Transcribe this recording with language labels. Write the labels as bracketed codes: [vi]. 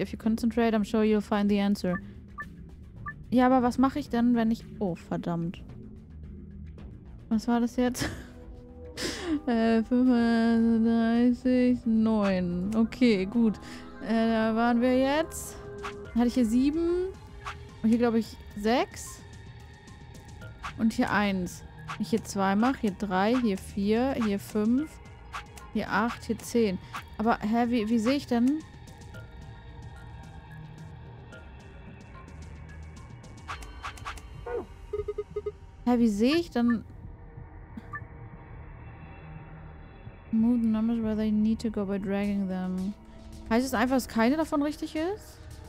[en] If you concentrate, I'm sure you'll find the answer. [de] Ja, aber was mache ich denn, wenn ich... Oh, verdammt. Was war das jetzt? 35, 9. Okay, gut. Da waren wir jetzt. Dann hatte ich hier 7. Und hier glaube ich 6. Und hier 1. Wenn ich hier 2 mache, hier 3, hier 4, hier 5, hier 8, hier 10. Aber hä, wie sehe ich denn? Hä, wie sehe ich denn? [en] Move the numbers where they need to go by dragging them. [de] Heißt es einfach, dass keine davon richtig ist?